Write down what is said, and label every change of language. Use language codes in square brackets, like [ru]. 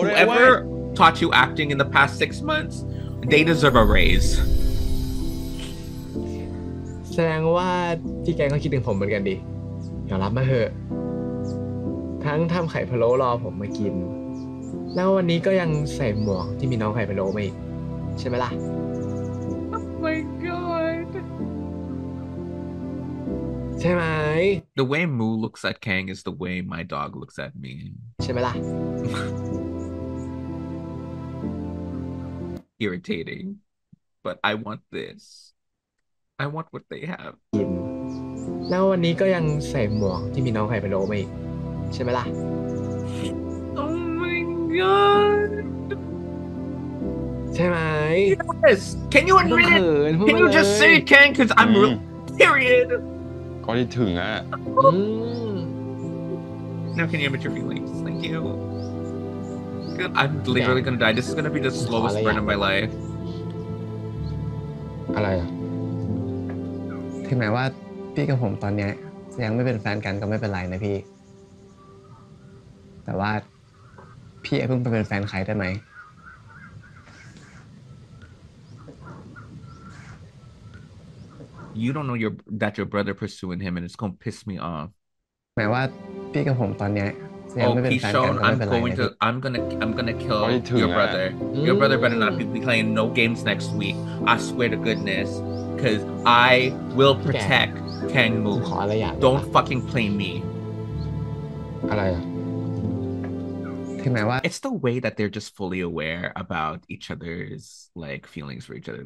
[en] Whoever taught you acting in the past 6 months, they deserve a raise. [th] แสดงว่าพี่แกงก็คิดถึงผมเหมือนกันดิยอมรับมาเถอะทั้งทำไข่พะโล้รอผมมากินแล้ววันนี้ก็ยังใส่หมวกที่มีน้องไข่พะโล้มาอีกใช่ไหมล่ะ [en] Oh my god [th] ใช่ไหม [en] The way Moo looks at Kang is the way my dog looks at me [th] ใช่ไหมล่ะ [en] Irritating but I want thisI want what they have. [th] แล้ววันนี้ก็ยังใส่หมวกที่มีน้องไข่พะโล้มาอีกใช่ไหมล่ะ [en] Oh my god. [th] ใช่ไหม [en] Yes. Can you admit it? Can you just say it, Kang? Because I'm real. Period. [th] ก็ที่ถึงอ่ะ [en] Now can you admit your feelings? Thank you. God, I'm literally gonna die. This is gonna be the slowest burn of my life. [th] อะไรถึงแม้ว่าพี่กับผมตอนนี้ยังไม่เป็นแฟนกันก็ไม่เป็นไรนะพี่ แต่ว่าพี่ไอ้เพิ่งไปเป็นแฟนใครได้ไหม [en] You don't know that your brother pursuing him, and it's gonna piss me off. [th] หมายว่าพี่กับผมตอนนี้ยังไม่เป็นแฟนกันไม่เป็นไร [en] I'm gonna kill your brother. Your brother better not be playing no games next week. I swear to goodness, because I will protect Kang Mu. Don't fucking play me. [th] อะไรอ่ะ [en] It's the way that they're just fully aware about each other's like feelings for each other.